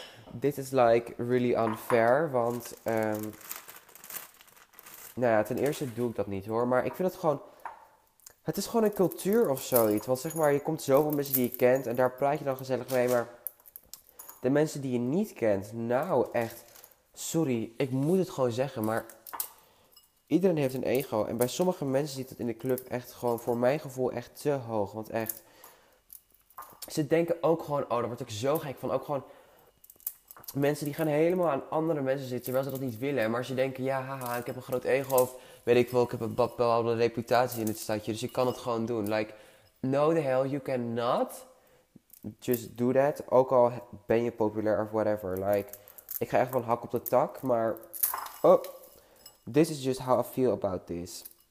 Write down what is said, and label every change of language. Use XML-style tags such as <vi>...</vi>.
<nl>Dit is</nl> <en>like really unfair.</en> <nl>Want, nou ja, ten eerste doe ik dat niet hoor. Maar ik vind het gewoon. Het is gewoon een cultuur of zoiets. Want zeg maar, je komt zoveel mensen die je kent en daar praat je dan gezellig mee. Maar de mensen die je niet kent, nou echt. Sorry, ik moet het gewoon zeggen, maar iedereen heeft een ego. En bij sommige mensen zit dat in de club echt gewoon voor mijn gevoel echt te hoog. Want echt, ze denken ook gewoon, oh, daar word ik zo gek van. Ook gewoon mensen die gaan helemaal aan andere mensen zitten, terwijl ze dat niet willen. Maar ze denken, ja, haha, ik heb een groot ego. Of weet ik wel, ik heb een bepaalde reputatie in het stadje, dus ik kan het gewoon doen.</nl> <en>Like, no the hell, you cannot. Just do that,</en> <nl>ook al ben je populair of</nl> <en>whatever, like.</en> <nl>Ik ga echt van hak op de tak, maar.</nl> <en>Oh, this is just how I feel about this.</en>